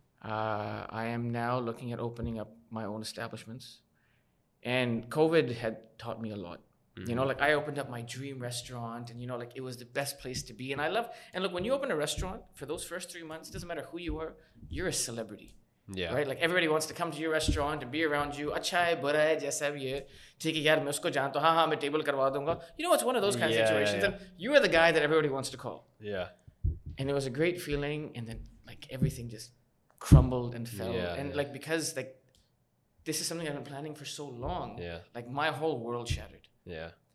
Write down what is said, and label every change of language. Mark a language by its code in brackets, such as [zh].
[en] I am now looking at opening up my own establishments. And COVID had taught me a lot. Mm. You know, like, I opened up my dream restaurant and, you know, like, it was the best place to be. And I love, and look, when you open a restaurant for those first 3 months, it doesn't matter who you are, you're a celebrity. Yeah. Right. Like, everybody wants to come to your restaurant and be around you. [hi] अच्छाई, बुरा है, जैसा भी है। ठीक है यार, मैं उसको जानता हूँ। हाँ, मैं table करवा दूँगा। [en] You know, it's one of those kind of situations. Yeah, yeah. And you are the guy that everybody wants to call. Yeah. And it was a great feeling. And then, like, everything just crumbled and fell. Yeah, and, yeah. like, because, like, this is something I've been planning for so long. Yeah. Like, my whole world shattered. Yeah.